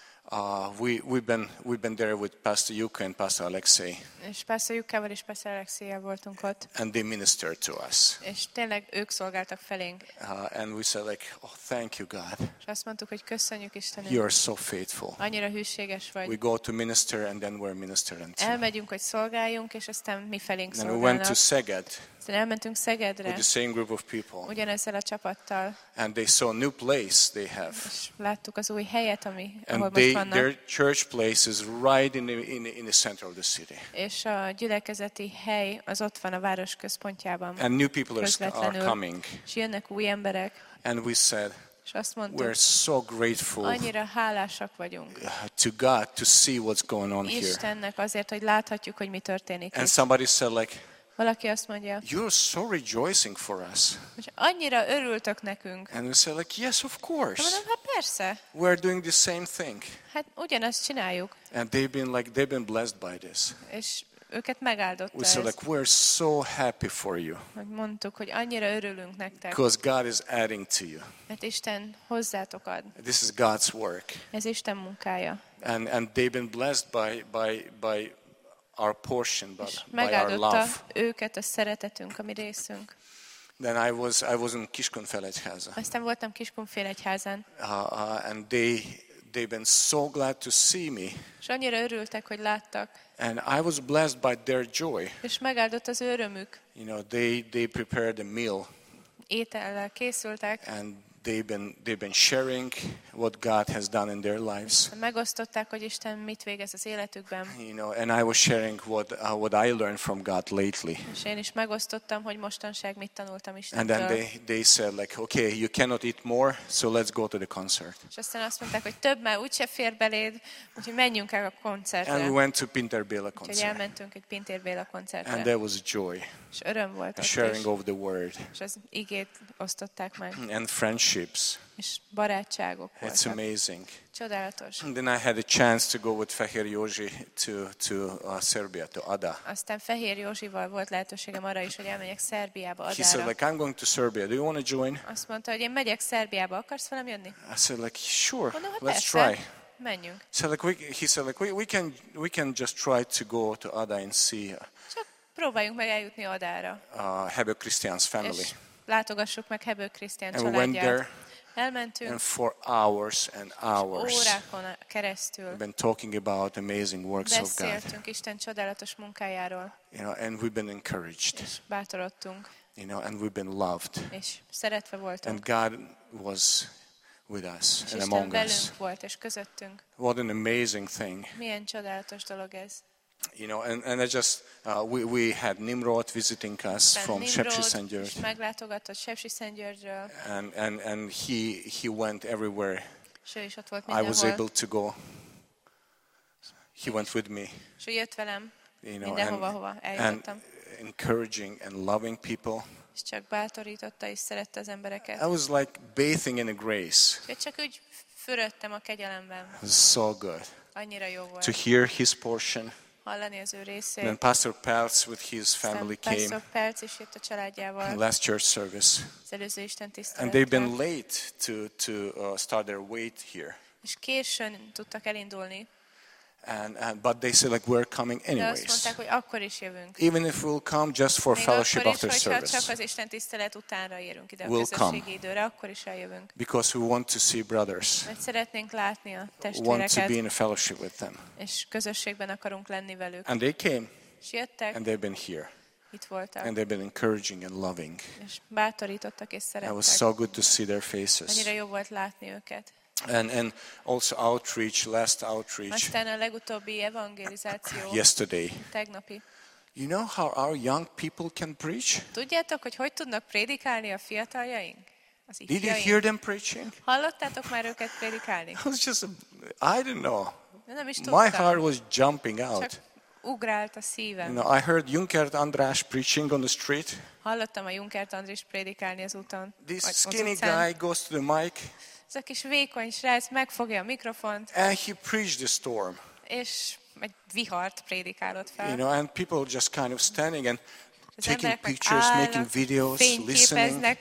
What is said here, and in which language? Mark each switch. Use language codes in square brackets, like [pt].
[en] And we've been there with Pastor Yuka and Pastor Alexei. [hu] És Pastor Yukával és Pastor Alexeivel voltunk ott. [en] And they ministered to us. [hu] És tényleg ők szolgáltak felénk. [en] And we said like, oh, thank you, God. [hu] És azt mondtuk, hogy köszönjük Istenünk. [en] You are so faithful. [hu] Annyira hűséges vagy. [en] We go to minister and then we're ministering. [hu] Elmegyünk, hogy szolgáljunk, és aztán mi felénk szolgálnak. [en] And we went to Szeged. [hu] Aztán elmentünk Szegedre. [en] With the same group of people. [hu] Ugyanezzel a csapattal. [en] And they saw a new place they have. [hu] És láttuk az új helyet, ami [en] and [hu] ahol [en] they, [hu] most vannak. [en] Their church place is right in the center of the city. [hu] És a gyülekezeti hely az ott van a város központjában. [en] And new people are coming. [hu] És jönnek új emberek. [en] And we said, [hu] És azt mondtuk, [en] we're so grateful. [hu] Annyira hálásak vagyunk. [en] To God to see what's going on here. [hu] Istennek azért, hogy láthatjuk, hogy mi történik. [en] And somebody said like, [hu] valaki azt mondja, [en] you're so rejoicing for us. [hu] Annyira örültök nekünk. [en] And we said like, yes, of course. [hu] Mondom, hát persze. [en] We're doing the same thing. [hu] Hát ugyanazt csináljuk. [en] And they've been blessed by this. [hu] És őket megáldotta. [en] We said like, we're so happy for you. [hu] Mondtuk, hogy annyira örülünk nektek. [en] Because God is adding to you. [hu] Mert Isten hozzátok ad. [en] This is God's work. [hu] Ez Isten munkája. [en] And they've been blessed by our portion, but by our love. [hu] Őket a szeretetünk, a mi részünk. [en] Then I was in Kiskunfélegyháza. [hu] Aztán voltam Kiskunfélegyházán. [en] And they've been so glad to see me. [hu] És annyira örültek, hogy láttak. [en] And I was blessed by their joy. [hu] És megáldott az örömük. [en] You know, they prepared a meal. [hu] Étellel készültek. [en] And they've been sharing what God has done in their lives. [hu] Megosztották, hogy Isten mit végez az életükben. [en] You know, and I was sharing what I learned from God lately. [hu] És én is megosztottam, hogy mostanság mit tanultam Istentől. [en] And then they said like, okay, you cannot eat more, so let's go to the concert. [hu] És aztán azt mondták, hogy több már úgyse fér beléd, úgyhogy menjünk el a koncertre. [en] And we went to Pinter Béla concert. [hu] Úgyhogy elmentünk egy Pinter Béla koncertre. [en] And there was joy. [hu] És öröm volt ott is. [en] Sharing of the word. [hu] És az igét osztották meg. [en] And friendships. [hu] És barátságok voltak. [en] It's amazing. [hu] Csodálatos. [en] And then I had a chance to go with Fehér Józsi to Serbia, to Ada. [hu] Aztán Fehér Józsival volt lehetőségem arra is, hogy elmegyek Szerbiába, Adára. [en] He said like, I'm going to Serbia. Do you want to join? [hu] Azt mondta, hogy én megyek Szerbiába. Akarsz velem jönni? [en] I said like, sure. [hu] Mondom, [en] let's [hu] persze. [en] Try. [hu] Menjünk. [en] So like we can just try to go to Ada and see her. [hu] Próbáljunk meg eljutni Adára. [en] Hebő Krisztián's family. [hu] Látogassuk meg Hebő Krisztián családját. [en] And we went there. [hu] Elmentünk. [en] And for hours and hours. [hu] Órákon keresztül. [en] Been talking about amazing works of God. [hu] Beszéltünk Isten csodálatos munkájáról. [en] You know, and we've been encouraged. [hu] És bátorodtunk. [en] You know, and we've been loved. [hu] És szeretve voltunk. [en] And God was with us and among us. [hu] Isten velünk volt és közöttünk. [en] What an amazing thing. [hu] Milyen csodálatos dolog ez. [en] You know, and I just we had Nimrod visiting us from Sepsiszentgyörgy. [hu] Meglátogatott Sepsiszentgyörgyről. [en] And he went everywhere. [hu] Ő is ott volt mindenhol. [en] I was able to go. He went with me. [hu] Ő jött velem. [en] You know, [hu] mindenhova eljöttem. [en] And encouraging and loving people. [hu] És csak bátorította és szerette az embereket. [en] I was like bathing in a grace. [hu] Csak úgy fürödtem a kegyelemben. [en] So good. [hu] Annyira jó volt. [en] To hear his portion. [hu] Hallani az ő részét. [en] Then Pastor Peltz with his family came. [hu] Pastor Peltz is jött a családjával. [en] Last church service. [hu] Az előző Isten tiszteletre. [en] And they've been late to start their wait here. [hu] És későn tudtak elindulni. [en] And but they said like we're coming anyways. [hu] De azt mondták, hogy akkor is jövünk. [en] Even if we'll come just for [hu] még [en] fellowship [hu] is, [en] after service. [hu] Csak az Isten tisztelet utánra érünk ide a [en] we'll [hu] közösségi [en] come. [hu] Időre, akkor is eljövünk. [en] Because we want to see brothers. [hu] Mert szeretnénk látni a testvéreket. [en] Want to be in a fellowship with them. [hu] És közösségben akarunk lenni velük. [en] And they came. [hu] És jöttek. [en] And they've been here. [hu] Itt voltak. [en] And they've been encouraging and loving. [hu] És bátorítottak és szerettek. [en] It was so good to see their faces. [hu] Annyira jó volt látni őket. [en] And also outreach, last outreach. [hu] Aztán a legutóbbi evangelizáció. [en] Yesterday. [hu] Tegnapi. [en] You know how our young people can preach? [hu] Tudjátok, hogy tudnak prédikálni a fiataljaink? [en] Did you hear them preaching? [hu] Hallottátok már őket prédikálni? [en] I was just, I don't know. [hu] Nem is tudtam. [en] My heart was jumping out. [hu] Csak ugrált a szívem. [en] You know, I heard Junkert András preaching on the street. [hu] Hallottam a Junkert András prédikálni az úton. [en] This skinny guy goes to the mic. [hu] Ez a kis vékony srác megfogja a mikrofont. [en] And he preached the storm. [hu] És egy vihart prédikálott fel. [en] You know, and people just kind of standing and taking pictures, making videos, listening.